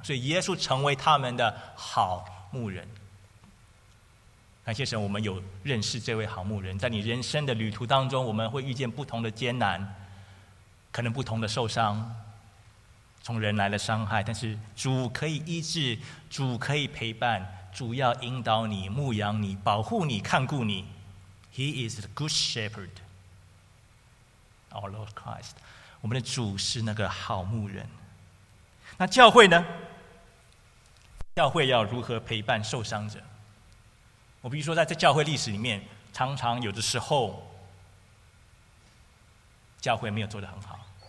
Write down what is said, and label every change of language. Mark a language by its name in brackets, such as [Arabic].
[Chinese] 所以耶稣成为他们的好牧人。感谢神，我们有认识这位好牧人。在你人生的旅途当中，我们会遇见不同的艰难，可能不同的受伤，从人来的伤害，但是主可以医治，主可以陪伴，主要引导你，牧养你，保护你，看顾你。 [English] He is the good shepherd, our Lord Christ。 [Chinese] 我们的主是那个好牧人。那教会呢？教会要如何陪伴受伤者？我比如说，在这教会历史里面，常常有的时候教会没有做得很好。